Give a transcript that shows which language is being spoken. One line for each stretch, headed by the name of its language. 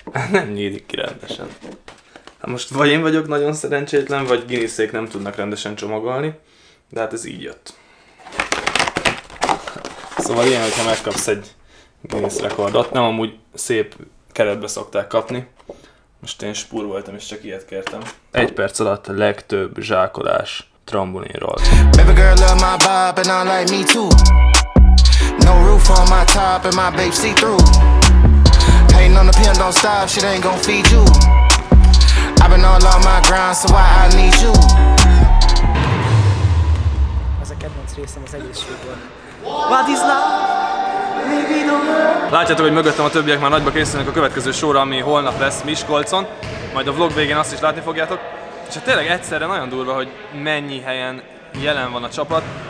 Hungarian: Nem nyílik ki rendesen. Hát most vagy én vagyok nagyon szerencsétlen, vagy Guinnessék nem tudnak rendesen csomagolni, de hát ez így jött. Szóval ilyen, hogyha megkapsz egy Guinness rekordot, nem amúgy szép keretbe szokták kapni. Most én spúr voltam és csak ilyet kértem. Egy perc alatt legtöbb zsákolás trambulinról.
English: Baby girl love my bop and I like me too. No roof on my top and my babe see through. Hating on the pen don't stop, shit ain't gon' feed you. I've been all on my grind, so why I need you.
Hungarian: Az a kedvenc részem az egészségből.
English: What is love?
Hungarian: Látjátok, hogy mögöttem a többiek már nagyba készülnek a következő sorra, ami holnap lesz Miskolcon. Majd a vlog végén azt is látni fogjátok. És hát tényleg egyszerre nagyon durva, hogy mennyi helyen jelen van a csapat.